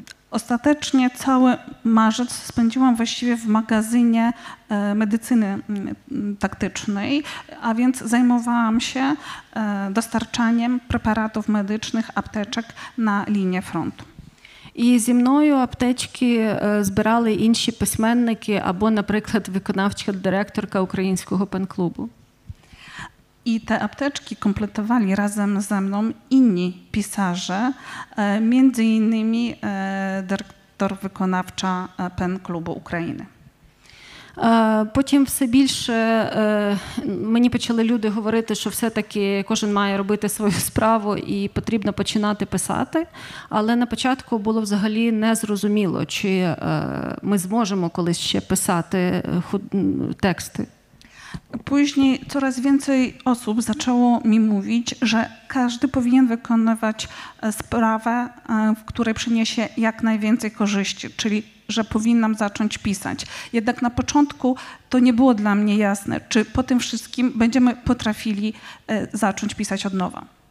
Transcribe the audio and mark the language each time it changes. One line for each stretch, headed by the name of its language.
Polish: Ostatecznie cały marzec spędziłam właściwie w magazynie medycyny taktycznej, a więc zajmowałam się dostarczaniem preparatów medycznych, apteczek na linię frontu.
Ukrainian: І зі мною аптечки збирали інші письменники або, наприклад, виконавча директорка українського пен-клубу.
Polish: I te apteczki kompletowali razem ze mną inni pisarze, między innymi dyrektor wykonawcza PEN Klubu Ukrainy.
Ukrainian: Потім все більше мені почали люди говорити, що все-таки кожен має робити свою справу і потрібно починати писати. Але на початку було взагалі незрозуміло, чи ми зможемо колись ще писати тексти.
Polish: Później coraz więcej osób zaczęło mi mówić, że każdy powinien wykonywać sprawę, w której przyniesie jak najwięcej korzyści, czyli że powinnam zacząć pisać. Jednak na początku to nie było dla mnie jasne, czy po tym wszystkim będziemy potrafili zacząć pisać od nowa.